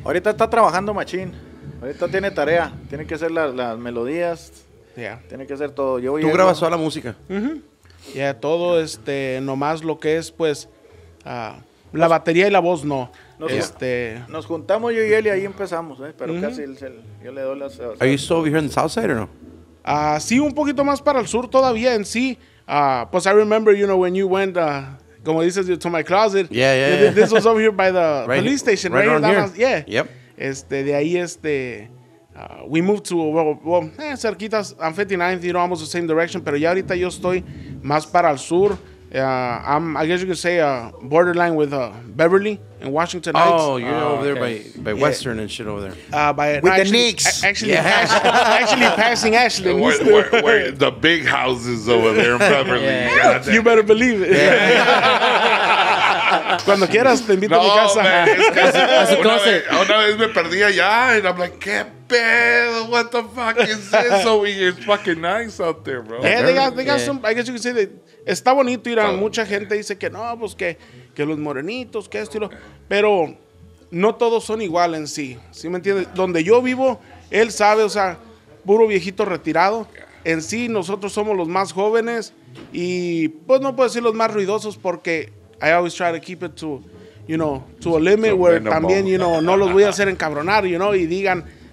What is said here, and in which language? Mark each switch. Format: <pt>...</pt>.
<es>Ahorita está trabajando machín, ahorita tiene tarea, tiene que hacer las melodías, tiene que hacer todo. Tú grabas toda la música. Uh-huh. Ya, todo, nomás lo que es, pues... la batería y la voz no. Nos juntamos yo y él y ahí empezamos, pero casi yo le doy las.</es> <en>Are you still over here in the south side or no?</en> <es>Sí, un poquito más para el sur todavía en sí. Pues</es> <en>I remember, you know, when you went,</en> <es>como dices,</es> <en>to my closet. Yeah. This was over here by the right, police station, right? Right here. Yeah. Yep.</en> <es>De ahí</es> <en>we moved to,</en> <es>cerquitas,</es> <en>I'm 59th, you know, almost the same direction,</en> <es>pero ya ahorita yo estoy más para el sur.</es> <en>I guess you could say borderline with Beverly in Washington Heights. Oh, you're over there by Western and shit over there. The Knicks. Actually passing Ashley. Where the big houses over there in Beverly. Yeah. You better believe it.</en> <es>Cuando quieras, te invito a mi casa. Man, es casi, una vez me perdí allá,</es> <en>and I'm like,</en> <es>¿qué pedo?</es> <en>What the fuck is this? So it's fucking nice out there, bro. Yeah, they got some, I guess you could say that.</en> <es>Está bonito ir a mucha gente dice que no, pues que los morenitos, que esto y lo... Pero no todos son igual en sí, ¿sí me entiendes? Donde yo vivo, él sabe, o sea, puro viejito retirado. En sí, nosotros somos los más jóvenes y, pues, no puedo decir los más ruidosos porque</es> <en>I always try to keep it to, you know, to a limit</en> <es>where también, you know, no los voy a hacer encabronar, you know, y digan...</es>